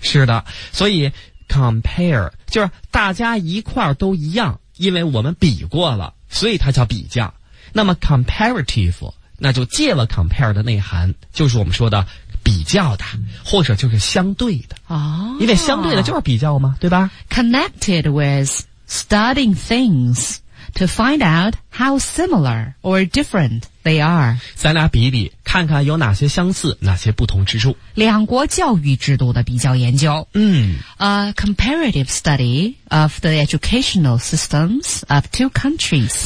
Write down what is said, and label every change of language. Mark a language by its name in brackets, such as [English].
[Chinese] 是的，所以 compare 就是大家一块都一样，因为我们比过了，所以它叫比较。那么 comparative 那就借了 compare 的内涵，就是我们说的比较的，或者就是相对的。哦，因为相对的就是比较嘛，对吧？ [English] Connected with studying things to find out how similar or different they are. [Chinese] 咱俩比比，看看有哪些相似，哪些不同之处。两国教育制度的比较研究。嗯。 [English] A comparative study of the educational systems of two countries.